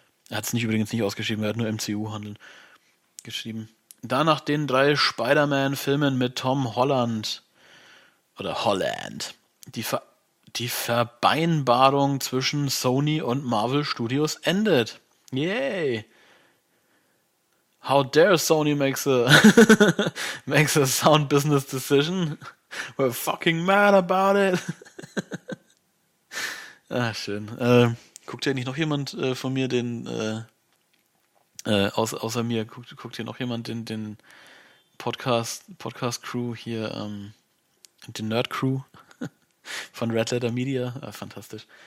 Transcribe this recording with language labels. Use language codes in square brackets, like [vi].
[de] Er hat es übrigens nicht ausgeschrieben, er hat nur MCU handeln geschrieben. Da nach den drei Spider-Man-Filmen mit Tom Holland oder Holland die Vereinbarung zwischen Sony und Marvel Studios endet. [en] Yay! How dare Sony makes a sound business decision? We're fucking mad about it! [de] Ach, schön. Guckt ja nicht noch jemand von mir den... außer mir guckt hier noch jemand den Podcast-Crew hier, den Nerd-Crew von Red Letter Media. Fantastisch.